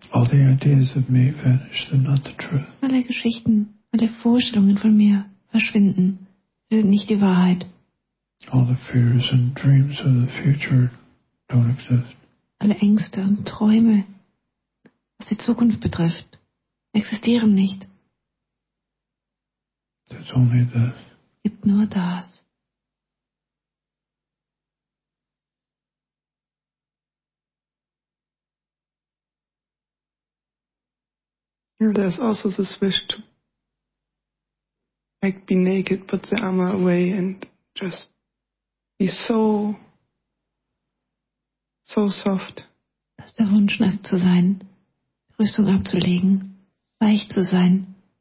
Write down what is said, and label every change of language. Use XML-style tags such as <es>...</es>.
<en>All the ideas of me vanish, they're not the truth.</en> <de>Alle Geschichten, alle Vorstellungen von mir verschwinden. Sie sind nicht die Wahrheit.</de> <en>All the fears and dreams of the future don't exist.</en> <de>Alle Ängste und Träume, was die Zukunft betrifft, existieren nicht.</de> <en>There's only this.</en> <de>Es gibt nur das.</de> <en>There's also this wish to like be naked, put the armor away and just be so soft.</en> <de>Das ist der Wunsch, nackt zu sein, Rüstung abzulegen, weich zu sein.</de>